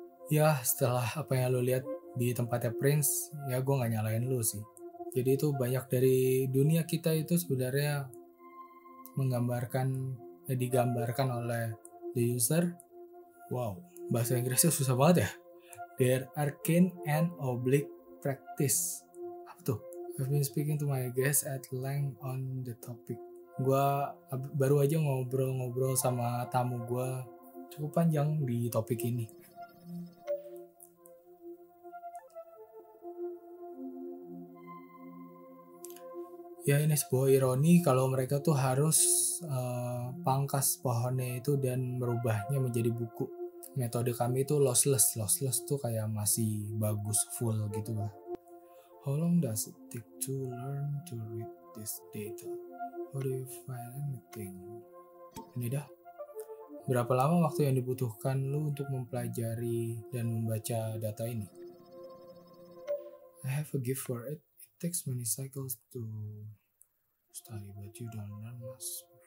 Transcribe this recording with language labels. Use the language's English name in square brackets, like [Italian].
[Indonesian] Ya, setelah apa yang lo lihat di tempatnya Prince, ya gue gak nyalain lo sih. Jadi itu banyak dari dunia kita itu sebenarnya digambarkan oleh the user. Wow, bahasa Inggrisnya susah banget ya. [English] Their arcane and oblique practice. [Indonesian] Apa tuh? [English] I've been speaking to my guest at length on the topic. [Indonesian] Gua baru aja ngobrol-ngobrol sama tamu gua cukup panjang di topik ini. Ya, ini sebuah ironi kalau mereka tuh harus pangkas pohonnya itu dan merubahnya menjadi buku. Metode kami itu lossless tuh kayak masih bagus full gitu lah. [English] How long does it take to learn to read this data? How do you find anything? [Indonesian] Ini dah. Berapa lama waktu yang dibutuhkan lu untuk mempelajari dan membaca data ini? [English] I have a gift for it. It takes many cycles to study, but you don't learn much.